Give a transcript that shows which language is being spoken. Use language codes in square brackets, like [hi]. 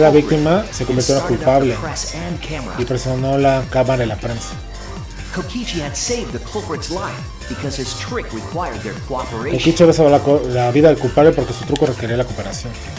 [es] la víctima, se convirtió en el culpable y presionó la cámara y la prensa. [en] Kokichi had saved the culprit's life because his trick required their cooperation. [es] Kokichi había salvado la vida del culpable porque su truco requería la cooperación.